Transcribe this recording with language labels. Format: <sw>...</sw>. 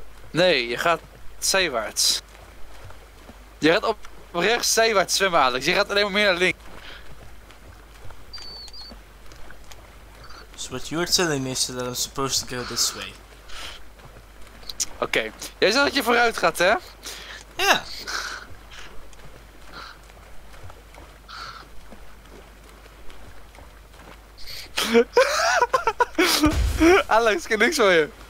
<nl>Nee, je gaat zijwaarts. Je gaat op rechts zijwaarts zwemmen, Alex. Je gaat alleen maar meer naar links.</nl> <en>So what you're telling me is that I'm supposed to go this way.</en> <nl>Oké. Okay. Jij zegt dat je vooruit gaat, hè? Ja. Yeah. Alex, ik heb niks van je.</nl>